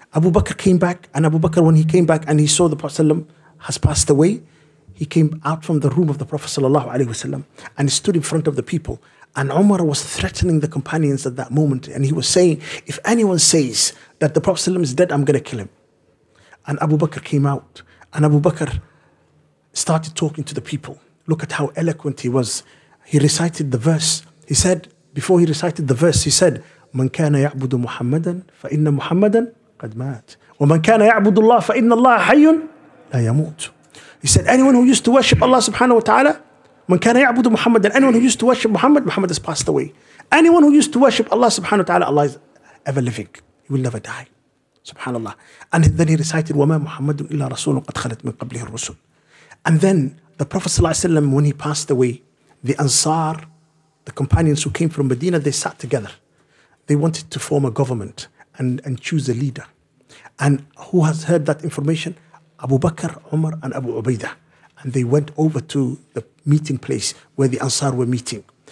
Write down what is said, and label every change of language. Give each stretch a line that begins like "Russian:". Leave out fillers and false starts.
English: Abu Bakr came back, and Abu Bakr, when he came back and he saw the Prophet has passed away, he came out from the room of the Prophet and stood in front of the people. And Umar was threatening the companions at that moment, and he was saying, "If anyone says that the Prophet is dead, I'm going to kill him." And Abu Bakr came out, and Abu Bakr started talking to the people. Look at how eloquent he was. He recited the verse. He said, before he recited the verse, he said,
Arabic: "من كان يعبد محمدا فإن محمدا قد مات ومن كان يعبد الله فإن الله حي لا يموت."
English: He said, "Anyone who used to worship Allah subhanahu wa ta'ala,
Arabic: من كان يعبد محمدا,
English: anyone who used to worship Muhammad, Muhammad has passed away. Anyone who used to worship Allah subhanahu wa ta'ala, Allah is ever living. He will never die." Subhanallah. And then he recited,
Arabic: "وما محمد إلا رسول قد خلت من قبله الرسل."
English: And then the Prophet sallallahu alaihi wasallam, when he passed away, the Ansar, the companions who came from Medina, they sat together. They wanted to form a government and choose a leader. And who has heard that information? Abu Bakr, Umar, and Abu Ubaidah. And they went over to the meeting place where the Ansar were meeting.